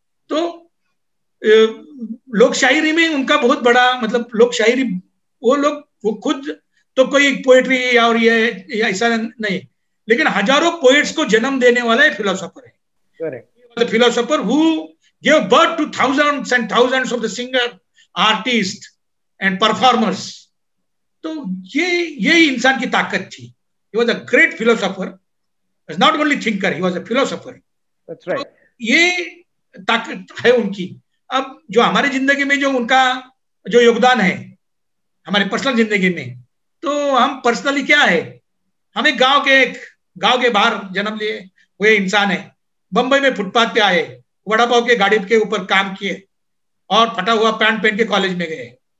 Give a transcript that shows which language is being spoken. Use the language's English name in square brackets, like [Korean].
[Hindi] तो लोक शायरी में उनका बहुत बड़ा मतलब, लोक शायरी वो लोग वो खुद तो कोई पोएट्री या और ये ऐसा नहीं, लेकिन हजारों पोएट्स को जन्म देने वाला एक फिलोसोफर है। [English] Philosopher who give birth to thousands and thousands of the singer artist and performers. [Hindi] तो ये इंसान की ताकत थी। [English] He was a great philosopher. He was not only thinker, he was a philosopher. That's right. तो [Hindi] ये ताकत है उनकी। अब जो हमारे जिंदगी में जो उनका जो योगदान है हमारे पर्सनल जिंदगी में, तो हम पर्सनली क्या है, हम एक गांव के बाहर जन्म लिए हुए इंसान है। बंबई में फुटपाथ पे आए, वड़ा पाव के गाड़ी के ऊपर काम किए और फटा हुआ पैंट पहन के कॉलेज में गए।